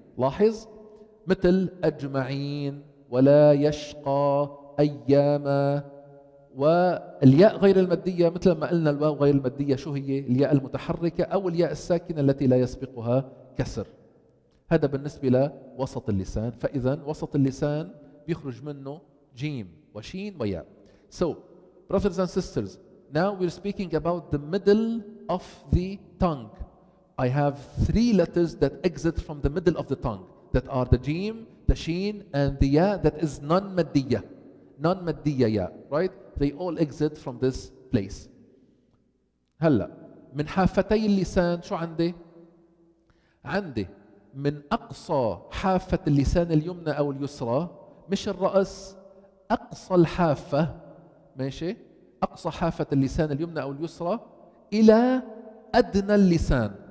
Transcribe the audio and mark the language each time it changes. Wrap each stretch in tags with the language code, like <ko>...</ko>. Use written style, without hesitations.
<ar>لاحظ, مثل أجمعين ولا يشقى أياما, والياء غير المادية مثل ما قلنا الواو غير المادية شو هي؟ الياء المتحركة أو الياء الساكنة التي لا يسبقها كسر. هذا بالنسبة لوسط اللسان. فإذا وسط اللسان بيخرج منه جيم وشين وياء.</ar> <en>So brothers and sisters, now we're speaking about the middle of the tongue. I have three letters that exit from the middle of the tongue that are the جيم, the شين, and the ياء that is non-مادية. Non-مادية ياء, right? They all exit from this place.</en> <ar>هلا من حافتي اللسان شو عندي؟ عندي من أقصى حافة اللسان اليمنى أو اليسرى, مش الرأس, أقصى الحافة, ماشي, أقصى حافة اللسان اليمنى أو اليسرى إلى أدنى اللسان.</ar>